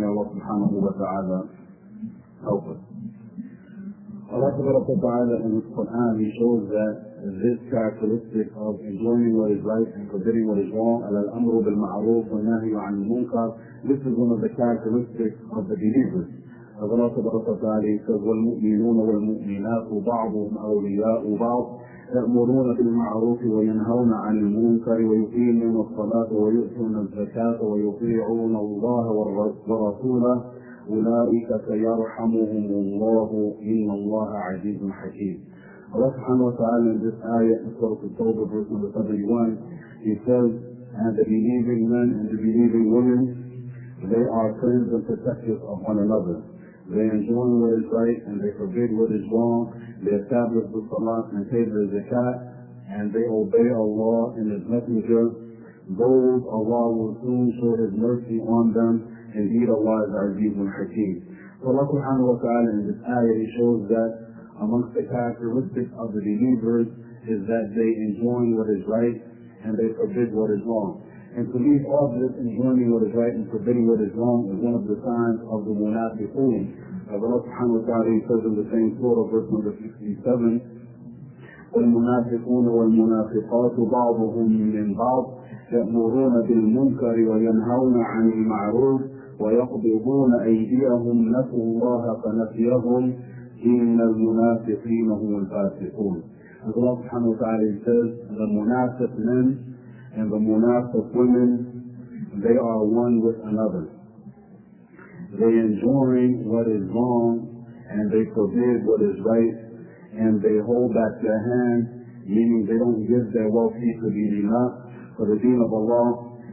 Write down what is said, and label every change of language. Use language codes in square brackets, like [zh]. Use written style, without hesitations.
[en] May Allah subhanahu wa ta'ala help us. Allah subhanahu wa ta'ala in His Quran, He shows that this characteristic of enjoying what is right and forbidding what is wrong, [ar] al-amru bil-ma'roof wa nahi an munkar, [en] this is one of the characteristics of the believers. [ar] As Allah subhanahu wa ta'ala says, وَالْمُؤْمِنُونَ وَالْمُؤْمِنَاتُ بَعْضُهُمْ أَوْلِيَاءُ بَعْضٍ يَأْمُرُونَ بِالْمَعْرُوفِ وَيَنْهَوْنَ عَنِ الْمُنكَرِ وَيُقِيمُونَ الصَّلَاةَ وَيُؤْتُونَ الزَّكَاةَ وَيُطِيعُونَ اللَّهَ وَرَسُولَهُ أولئك سيرحمهم الله إن الله عزيز حكيم. [en] Allah subhanahu wa ta'ala in this ayah in Surah At-Tawbah verse number 71, He says, and the believing men and the believing women, they are friends and protectors of one another. They enjoin what is right and they forbid what is wrong. They establish the salat and pay the zakat, and they obey Allah and His Messenger. those Allah will soon show His mercy on them. Indeed, Allah is Aziz and Hakim. So Allah subhanahu wa ta'ala in this ayah shows that amongst the characteristics of the believers is that they enjoin what is right and they forbid what is wrong. And to leave off this enjoining what is right and forbidding what is wrong is one of the signs of the munafiqun. [ar] As Allah subhanahu wa ta'ala says in the same surah, verse number 67, وَالْمُنَافِقُونَ وَالْمُنَافِقَاتُ بَعْضُهُمْ مِنْ بَعْضٍ يَأْمُرُونَ بِالْمُنْكَرِ وَيَنْهَوْنَ عَنِ الْمَعْرُوفِ وَيَقْبِضُونَ أَيْدِيَهُمْ نَسُوا اللَّهَ فَنَسِيَهُمْ إِنَّ الْمُنَافِقِينَ هُمُ الْفَاسِقُونَ. [en] As Allah subhanahu wa ta'ala says, the munafiq men and the munafiq women, they are one with another. They enjoin what is wrong and they forbid what is right, and they hold back their hand, meaning they don't give their wealthy to the dinah, for the deen of Allah.